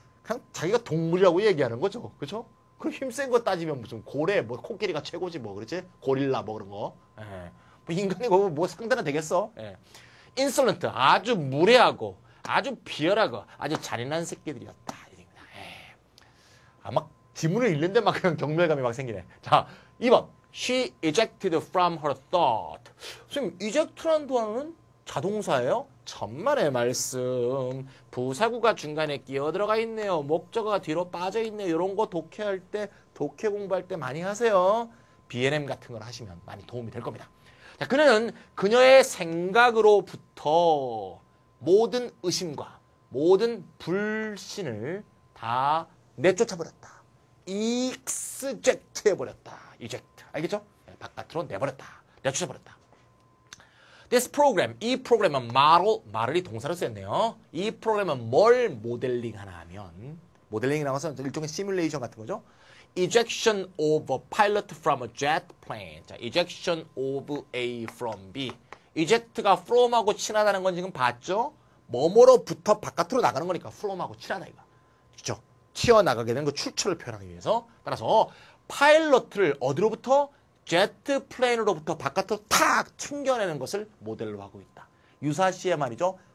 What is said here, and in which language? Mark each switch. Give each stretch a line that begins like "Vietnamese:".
Korean: 그냥 자기가 동물이라고 얘기하는 거죠. 그죠? 그럼 힘 센 거 따지면 무슨 고래 뭐 코끼리가 최고지 뭐 그렇지? 고릴라 뭐 그런 거. 예. 뭐 인간이 뭐 상대나 되겠어? 예. insolent 아주 무례하고 아주 비열하고 아주 잔인한 새끼들이었다. 이랍니다. 예. 아마 지문을 읽는데 막 그냥 경멸감이 막 생기네. 자, 2번.
English: She ejected from her thought.
Korean: 선생님, eject라는 단어는 자동사예요? 천만의 말씀. 부사구가 중간에 끼어들어가 있네요. 목적어가 뒤로 빠져있네요. 이런 거 독해할 때, 독해 공부할 때 많이 하세요. B&M 같은 걸 하시면 많이 도움이 될 겁니다. 자, 그녀는 그녀의 생각으로부터 모든 의심과 모든 불신을 다 내쫓아버렸다. Eject 해버렸다. Eject. 알겠죠? 바깥으로 내버렸다. 내쫓아버렸다.
English: This program,
Korean: 이 프로그램은 model, 말을이 동사로 쓰였네요. 이 프로그램은 뭘 모델링하나 하면, 모델링이라고 해서 일종의 시뮬레이션 같은 거죠.
English: Ejection of a pilot from a jet plane. 자, ejection of A from B.
Korean: Eject가 from하고 친하다는 건 지금 봤죠? 뭐뭐로부터 바깥으로 나가는 거니까 from하고 친하다 이거. 그렇죠? 튀어나가게 되는 그 출처를 표현하기 위해서. 따라서 파일럿을 어디로부터? 제트 플레인으로부터 바깥으로 탁 튕겨내는 것을 모델로 하고 있다. 유사시에 말이죠.